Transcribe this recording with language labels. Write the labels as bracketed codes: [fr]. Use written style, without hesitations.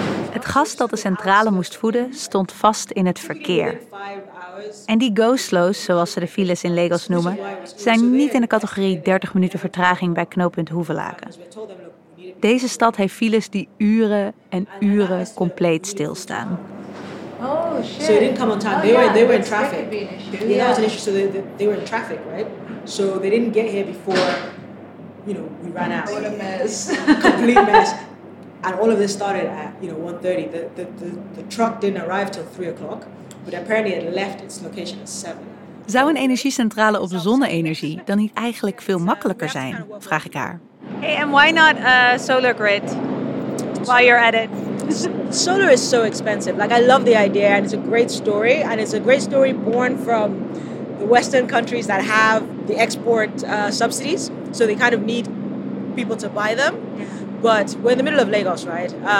[nl] Het gas dat de centrale moest voeden, stond vast in het verkeer. En die go-slows, zoals ze de files in Lagos noemen, zijn niet in de categorie 30 minuten vertraging bij knooppunt Hoevelaken. Deze stad heeft files die uren en uren compleet stilstaan. [en] Oh shit. So it didn't come on time. They were in traffic. Yeah, that was an issue. So they were in traffic, right? So they didn't get here before, you know, we ran out. What a mess. Complete mess. And all of this started at, you know, 1:30. The truck didn't arrive till 3 o'clock, but apparently it left its location at 7. [nl] Zou een energiecentrale op zonne-energie dan niet eigenlijk veel makkelijker zijn? Vraag ik haar. [en] Hey, and why not a solar grid while you're at it? Solar is so expensive. Like, I love the idea, and it's a great story. And it's a great story born from the Western countries that have the export subsidies. So they kind of need people to buy them. But we're in the middle of Lagos, right?